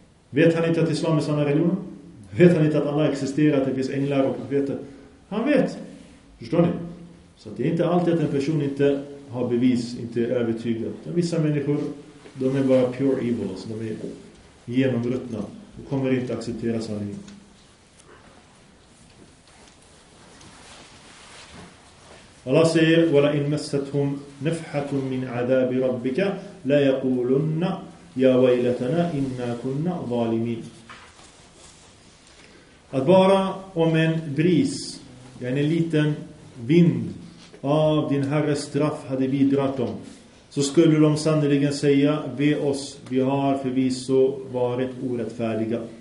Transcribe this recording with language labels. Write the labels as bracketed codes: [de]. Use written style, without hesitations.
[sv] Vet han inte att islam är sanna religionen? Vet han inte att Allah existerar, att det finns änglar och profeter? Han vet. Förstår ni? Så att det är inte alltid att en person inte har bevis, inte är övertygad. De vissa människor, de är bara [en] pure evil. [sv] Alltså de är genomruttna. De kommer inte acceptera sanningen. Allah säger, [ar] وَلَا إِن مَسَّتْهُمْ نَفْحَةٌ مِّنْ عَذَابِ رَبِّكَ لَا يَقُولُنَّ يَا وَيْلَتَنَا إِنَّا كُنَّ ظَالِمِينَ. [sv] Att bara om en bris, en liten vind av din herres straff hade bidrat dem, så skulle de sannoliken säga, ve oss, vi har förvisso varit orättfärdiga.